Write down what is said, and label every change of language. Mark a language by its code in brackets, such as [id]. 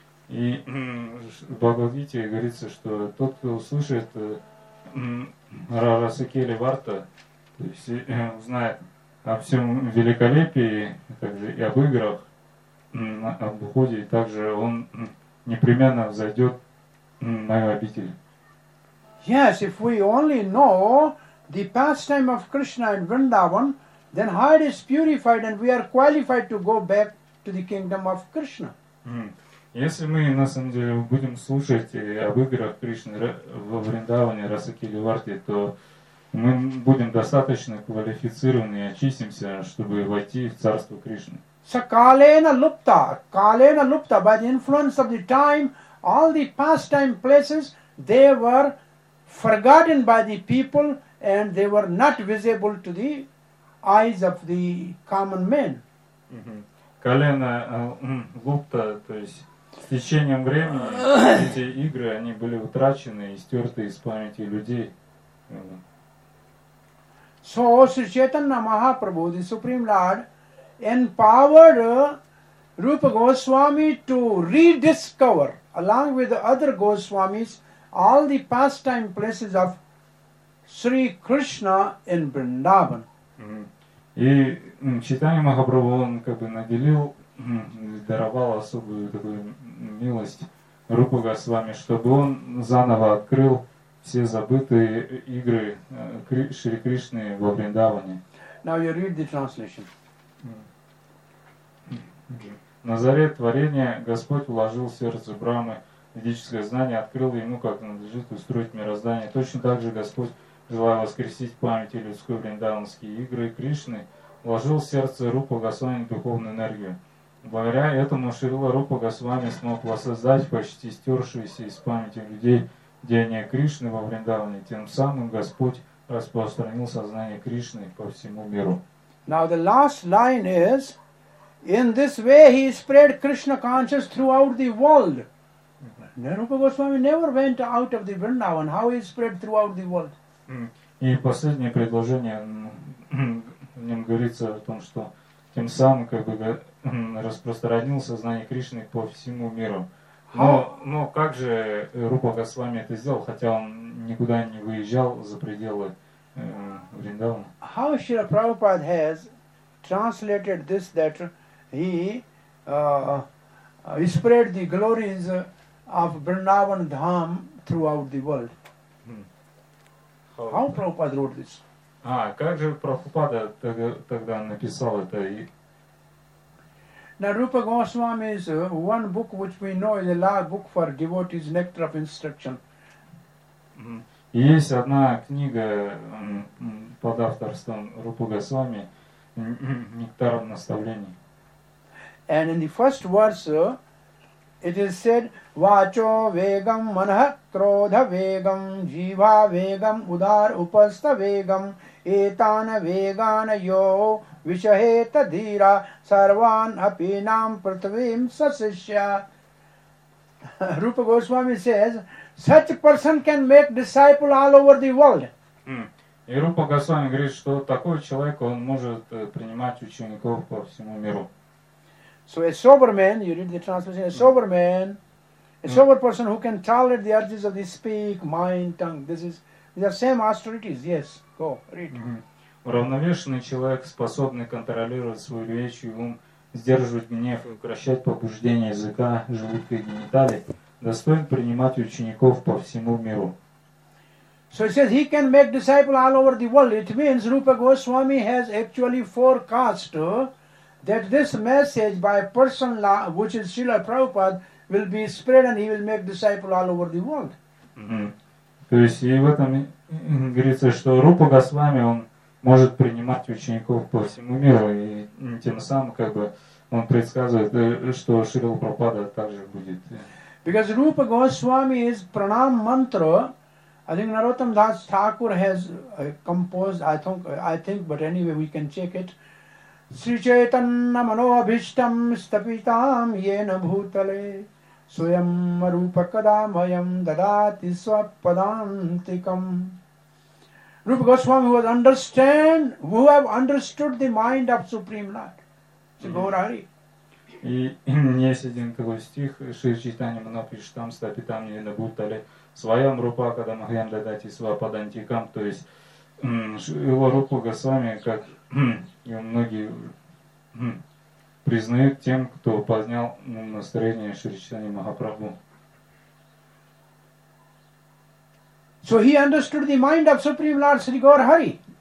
[ru] И в Бхагавад-гите говорится, что тот, кто услышит Расакели Варта, то есть узнает о всем великолепии, также и об играх, об уходе, и также он непременно взойдет на обитель. [en] Yes, if we only know the pastime of Krishna in Vrindavan, then heart is purified and we are qualified to go back to the kingdom of Krishna. [ru] Если мы на самом деле будем слушать об играх Кришны во Вриндаване, Расакели Варте, то мы будем достаточно квалифицированы и очистимся, чтобы войти в царство Кришны. [sa] Калена лупта, [en] by the influence of the time, all the pastime places, they were forgotten by the people and they were not visible to the eyes of the common men. [sa] Калена лупта, [ru] то есть с течением времени эти игры, они были утрачены и стерты из памяти людей. [en] So, Sri Chaitanya Mahaprabhu, the Supreme Lord, empowered Rupa Goswami to rediscover, along with the other Goswamis, all the pastime places of Sri Krishna in Vrindavan. [ru] И Чайтанья Махапрабху, он как бы наделил, даровал особую такую милость Рупа Госвами, чтобы он заново открыл все забытые игры Шри Кришны во Вриндаване. [en] Now you read the translation. [ru] На заре творения Господь вложил в сердце Брамы ведическое знание, открыл ему, как надлежит устроить мироздание. Точно так же Господь, желая воскресить память и людской вриндаванские игры Кришны, вложил в сердце Рупа Госвами духовную энергию. Благодаря этому Шрила Рупа Госвами смог воссоздать почти стершиеся из памяти людей деяния Кришны во Вриндаване. Тем самым Господь распространил сознание Кришны по всему миру. [en] Now the last line is, in this way he spread Krishna consciousness throughout the world. Rupa Goswami never went out of the Vrindavan. How he spread throughout the world? [ru] И последнее предложение, в нем говорится о том, что тем самым как бы распространил сознание Кришны по всему миру. Но как же Рупа Госвами это сделал, хотя он никуда не выезжал за пределы Вриндавана? [en] How Srila Prabhupada has translated this, that he spread the glories of Vrindavan Dham throughout the world? How Prabhupada wrote this? [ru] Как же Прабхупада тогда написал это? [en] Now Rupa Goswami is one book which we know is a large book for devotees, Nectar of Instruction. [ru] Есть одна книга под авторством Рупа Госвами, Нектар наставлений. [en] And in the first verse, it is said, [sa] Vacho vegam manaha krodha vegam jiva vegam udar upasta vegam etana vegana yo vishaheta dhira sarvan apinam prithvim sasishya. [en] Rupa Goswami says, such a person can make disciple all over the world. [ru] И Рупа Госвами говорит, что такой человек, он может принимать учеников по всему миру. [en] So a sober man, you read the translation, a sober man, a sober person who can tolerate the urges of the speak, mind, tongue, these are same austerities, yes, go, read. [ru] Уравновешенный человек, способный контролировать свою речь и ум, сдерживать гнев и укрощать побуждение языка, желудка и гениталий, достоин принимать учеников по всему миру. [en] So it says he can make disciples all over the world. It means Rupa Goswami has actually forecast that this message by person which is Srila Prabhupada will be spread and he will make disciples all over the world. [ru] То есть и в этом говорится, что Рупа Госвами, он может принимать учеников по всему миру, и тем самым как бы он предсказывает, что Шрила Прабхупада также будет. [en] Because Rupa Goswami is pranam mantra, I think Narottam Das Thakur has composed, I think, but anyway we can check it. [sa] Sri Chaitanya Manohabhishtam Stapitam Yena Bhutale Swayam Rupa Kadamayam Dadati Swapadantikam. [en] Rupa Goswami who have understood the mind of Supreme Lord. Sri Gaurahari. [ru] И есть один такой стих, [sa] Шри Чайтанья Манохабхиштам Стапитам Йена Бхутале Своям Рупа Кадамахьям Дадати Свападантикам. [ru] То есть его Рупа Госвами, как и многие признают, тем, кто поднял настроение Шри Чайтанья Махапрабху. [en] So he understood the mind of Supreme Lord Sri Gaurahari.